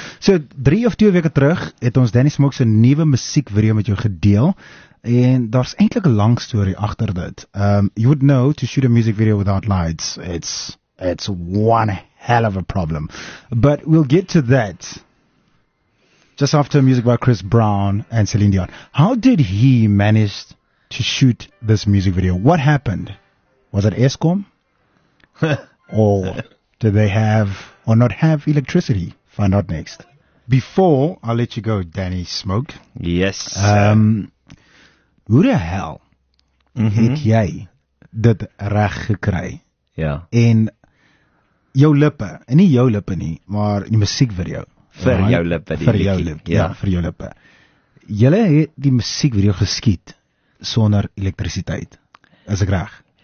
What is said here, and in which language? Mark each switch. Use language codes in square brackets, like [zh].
[af] So 3 of 2 weke terug het ons Danny Smoke se nuwe musiek video met jou gedeel. En daar's eintlik 'n lang story agter dit. [en] You would know to shoot a music video without lights. It's one hell of a problem. But we'll get to that. Just after music by Chris Brown and Celine Dion. How did he manage to shoot this music video? What happened? Was it Eskom? Or did they have or not have electricity? Find out next. Before I let you go, Danny Smoke. Yes. [af] Hoe die hel het jy dit reg gekry? Ja. En jou lippe, en nie jou lippe nie, maar die musiekvideo. Vir jou lippe, die vir jou lippe, ja. Vir jou lippe. Julle het die musiekvideo geskiet sonder elektrisiteit. Is ek reg?